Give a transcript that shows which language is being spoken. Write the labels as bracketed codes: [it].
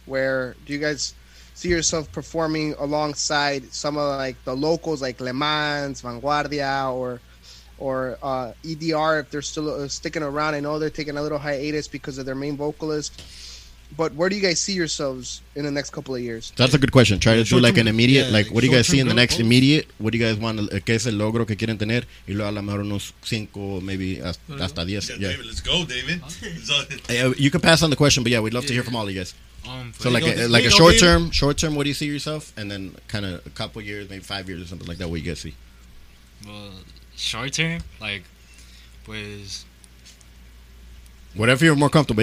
[en] Where do you guys see yourself performing alongside some of like the locals, like Le Mans, Vanguardia, or EDR, if they're still sticking around? I know they're taking a little hiatus because of their main vocalist. But where do you guys see yourselves in the next couple of years? That's a good question. Try to do like an immediate, like what do you guys see in the next immediate? What do you guys want? [es] ¿Qué es el logro que quieren tener? Y luego a lo mejor unos cinco, [en] maybe [es] hasta diez. [en] Yeah, David, let's go, David. You can pass on the question, but yeah, we'd love to hear from all of you guys. So like a short term, what do you see yourself? And then kind of a couple years, maybe 5 years or something like that, what do you guys see? Well, short term, like, pues... Whatever you're more comfortable.